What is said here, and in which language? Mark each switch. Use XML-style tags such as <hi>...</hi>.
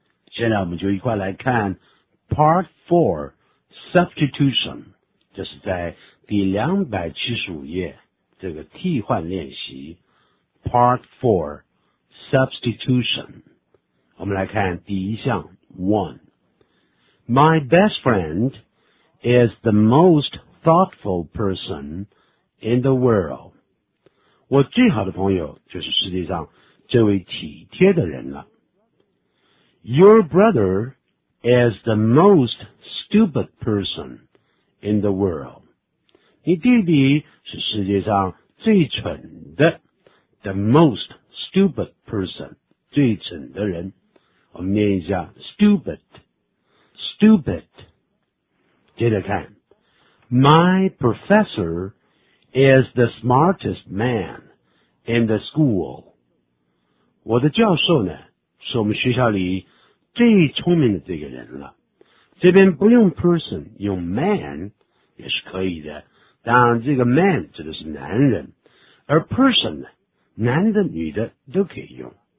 <zh>现在我们就一块来看 Part 4, Substitution, 这是在第275页这个替换练习 Part 4, Substitution. 我们来看第一项 ,1.</zh> <en>My best friend is the most thoughtful person in the world.</en> <zh>我最好的朋友就是世界上这位体贴的人了。</zh> <en>Your brother is the most stupid person in the world.</en> <zh>你弟弟是世界上最蠢的 ,</zh> <en>the most stupid person,</en> <zh>最蠢的人。我们念一下 stupid, stupid. 接着看</zh> <en>My professor is the smartest man in the school.</en> <zh>我的教授呢是我们学校里最聪明的这个人了。这边不用 person, 用 man 也是可以的。当然这个 man 指的是男人。而 person, 呢男的女的都可以用。</zh>